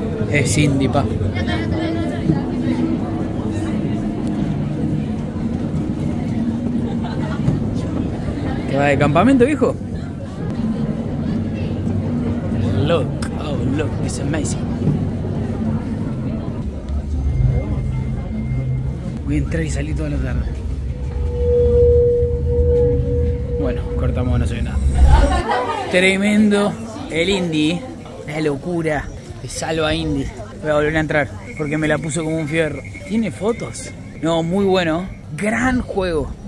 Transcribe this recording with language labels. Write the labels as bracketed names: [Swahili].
[Spanish] Es Indy, pa. ¿Qué va de campamento, viejo? [English] Look, oh, look, it's amazing. [Spanish] Voy a entrar y salir toda la tarde. Bueno, cortamos, no soy nada. Tremendo el Indy. Una locura. Salva Indy. Voy a volver a entrar porque me la puso como un fierro. ¿Tiene fotos? No, muy bueno. Gran juego.